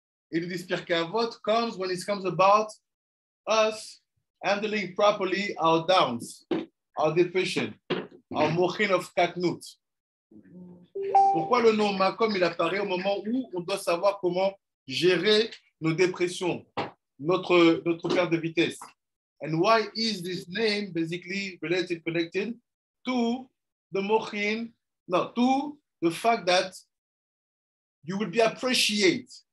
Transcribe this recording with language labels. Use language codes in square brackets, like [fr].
[en] It is Pirkei Avot comes when it comes about us handling properly our downs, our depression, our Mohin of Katnut. [fr] Pourquoi le nom MaKom il apparaît au moment où on doit savoir comment gérer nos dépressions, notre perte de vitesse? [en] And why is this name basically related, connected to the mochin, no, to the fact that you will be appreciated?